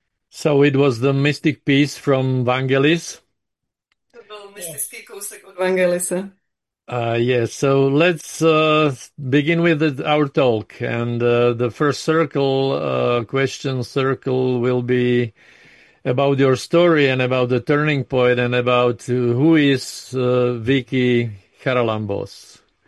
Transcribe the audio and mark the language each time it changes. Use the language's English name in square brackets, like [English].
[English] So it was the mystic piece from Vangelis. [Czech] To byl mystický kousek od Vangelise. [English] So let's begin with our talk. And the first circle, question circle will be about your story and about the turning point and about who is Vicky Charalambos.